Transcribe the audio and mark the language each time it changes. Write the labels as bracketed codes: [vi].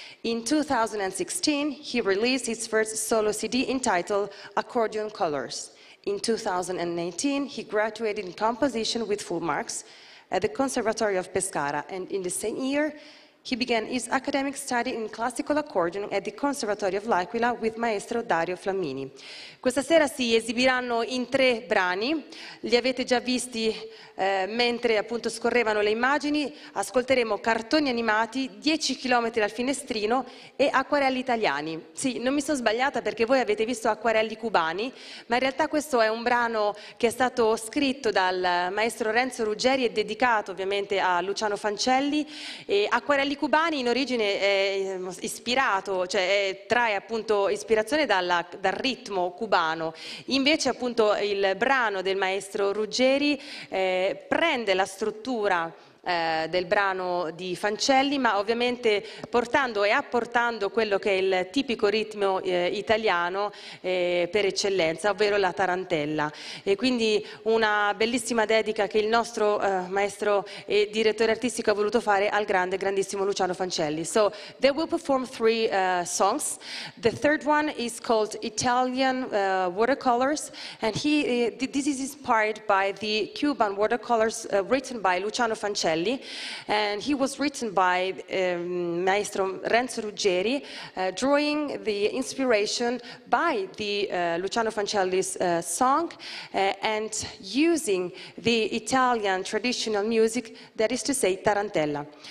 [en] In 2016, he released his first solo CD entitled Accordion Colors. In 2019, he graduated in composition with full marks at the Conservatory of Pescara, and in the same year, he began his academic study in classical accordion at the Conservatory of L'Aquila with Maestro Dario Flammini. [it] Questa sera si esibiranno in 3 brani, li avete già visti mentre appunto scorrevano le immagini, ascolteremo Cartoni animati, 10 km al finestrino e Acquarelli italiani. Sì, non mi sono sbagliata perché voi avete visto Acquarelli cubani, ma in realtà questo è un brano che è stato scritto dal maestro Renzo Ruggeri e dedicato ovviamente a Luciano Fancelli. E Acquarelli cubani in origine è ispirato, cioè trae appunto ispirazione dal ritmo cubano. Invece appunto il brano del maestro Ruggeri prende la struttura del brano di Fancelli, ma ovviamente apportando quello che è il tipico ritmo italiano per eccellenza, ovvero la tarantella. E quindi una bellissima dedica che il nostro maestro e direttore artistico ha voluto fare al grande, grandissimo Luciano Fancelli. [en] So, they will perform 3 songs. The third one is called Italian Watercolors, and this is inspired by the Cuban watercolors written by Luciano Fancelli. And he was written by Maestro Renzo Ruggeri, drawing the inspiration by the Luciano Fancelli's song and using the Italian traditional music, that is to say, tarantella.